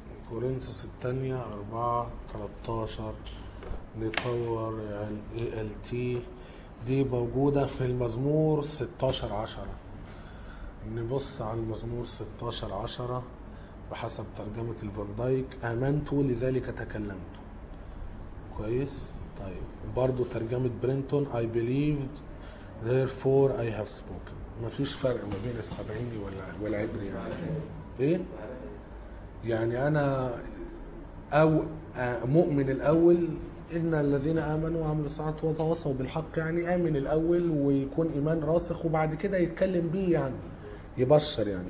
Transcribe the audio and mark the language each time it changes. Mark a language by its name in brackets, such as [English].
[Arabic] كورنثوس الثانية 4:13 نطور يعني ALT دي موجودة في المزمور 16:10. نبص على المزمور 16:10 بحسب ترجمة الفان دايك. آمنت لذلك تكلمت. كويس. طيب برضو ترجمة برينتون [English] I believed therefore I have spoken. [Arabic] مفيش فرق ما بين السبعيني والعبري يعني. ايه يعني انا او مؤمن الاول ان الذين امنوا وعملوا الصالحات وتواصوا بالحق. يعني امن الاول ويكون ايمان راسخ وبعد كده يتكلم بيه يعني يبشر يعني.